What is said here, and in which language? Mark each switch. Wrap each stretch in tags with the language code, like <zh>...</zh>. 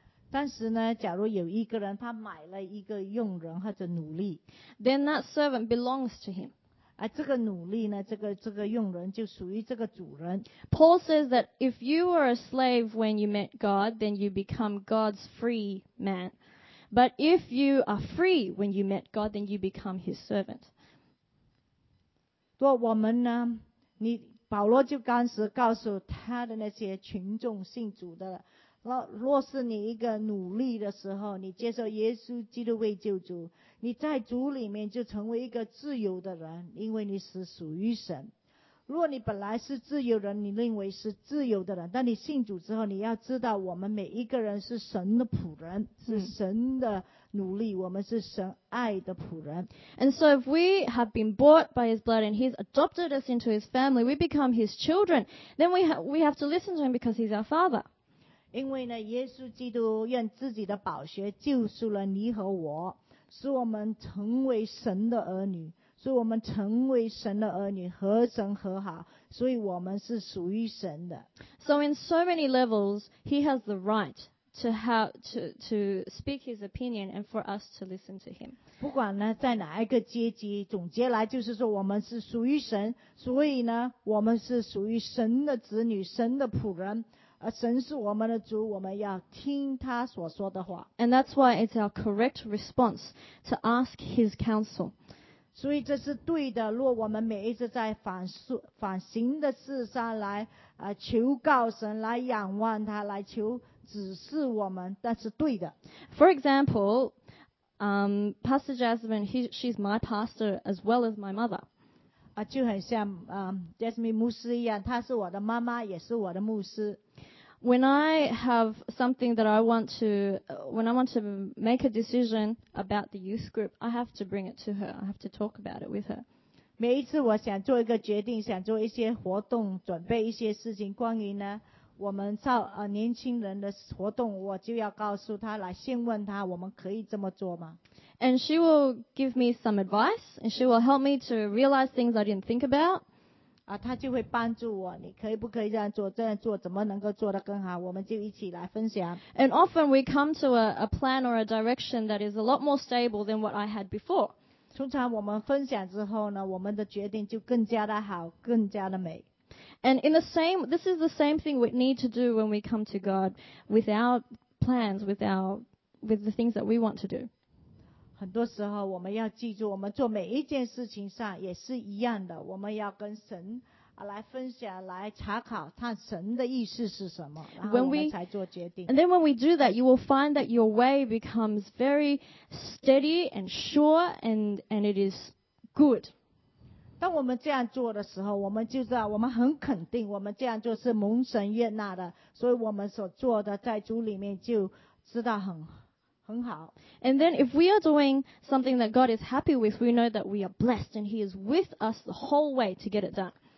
<zh>当时呢，假如有一个人他买了一个佣人或者奴隶</zh> <en>，then that servant belongs to him。</en> <zh>啊，这个奴隶呢，这个佣人就属于这个主人。</zh> <en>Paul says that if you were a slave when you met God, then you become God's free man. But if you are free when you met God, then you become His servant.</en> <zh>对，我们呢，你保罗就当时告诉他的那些群众信主的，若是你一个奴隶的时候，你接受耶稣基督为救主。你在主里面就成为一个自由的人，因为你是属于神。如果你本来是自由人，你认为是自由的人，但你信主之后，你要知道我们每一个人是神的仆人，是神的奴隶，我们是神爱的仆人。</zh> <en>And so if we have been bought by his blood and he's adopted us into his family, we become his children, then we have to listen to him because he's our father.</en> <zh>因为呢，耶稣基督用自己的宝血救赎了你和我。使我们成为神的儿女，使我们成为神的儿女，和神和好，所以我们是属于神的。</zh> <en>So in so many levels, he has the right to speak his opinion and for us to listen to him.</en> <zh>不管呢在哪一个阶级，总结来就是说我们是属于神，所以呢我们是属于神的子女，神的仆人。神是我们的主，我们要听他所说的话。</zh> <en>And that's why it's our correct response to ask his counsel.</en> <zh>所以这是对的，若我们每一次在反省的事上来求告神，来仰望他，来求指示我们，那是对的。</zh> <en>For example, Pastor Jasmine, she's my pastor as well as my mother.</en> <zh>就很像Jasmine 牧师一样，她是我的妈妈，也是我的牧师。</zh> <en>When I have something that I want to, when I want to make a decision about the youth group, I have to bring it to her. I have to talk about it with her.</en> <zh>每一次我想做一个决定，想做一些活动，准备一些事情，关于呢我们少年轻人的活动，我就要告诉她，来先问她，我们可以这么做吗？</zh> <en>And she will give me some advice, and she will help me to realize things I didn't think about.</en> <zh>他就会帮助我，你可以不可以这样做，这样做怎么能够做得更好，我们就一起来分享。</zh> <en>And often we come to a plan or a direction that is a lot more stable than what I had before.</en> <zh>通常我们分享之后呢，我们的决定就更加的好，更加的美。</zh> <en>And this is the same thing we need to do when we come to God with our plans, with the things that we want to do.</en> <zh>很多时候我们要记住，我们做每一件事情上也是一样的，我们要跟神来分享来查考看神的意思是什么，然后我们才做决定。</zh> <en>And then when we do that, you will find that your way becomes very steady and sure, and it is good.</en> <zh>当我们这样做的时候，我们就知道我们很肯定，我们这样做是蒙神悦纳的，所以我们所做的在主里面就知道很。</zh> <en>And then if we are doing something that God is happy with, we know that we are blessed and He is with us the whole way to get it done.</en>